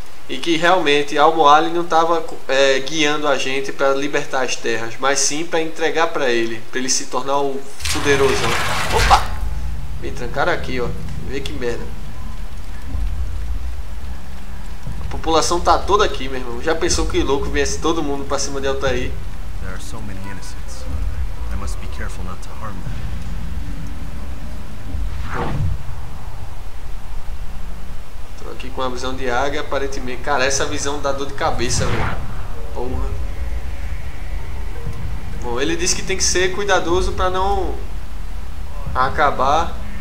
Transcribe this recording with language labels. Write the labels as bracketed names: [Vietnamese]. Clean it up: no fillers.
[Portuguese] E que realmente Al-Mu'allim não estava guiando a gente para libertar as terras, mas sim para entregar para ele se tornar o poderoso. Opa! Me trancaram aqui, ó. Vê que merda. A população tá toda aqui, meu irmão. Já pensou que louco viesse todo mundo para cima de Altair? [English] There are so many innocents. I must be careful not to harm them. [Portuguese] Tô aqui com uma visão de águia, aparentemente. Cara, essa visão dá dor de cabeça, velho. Porra. Bom, ele disse que tem que ser cuidadoso para não acabar.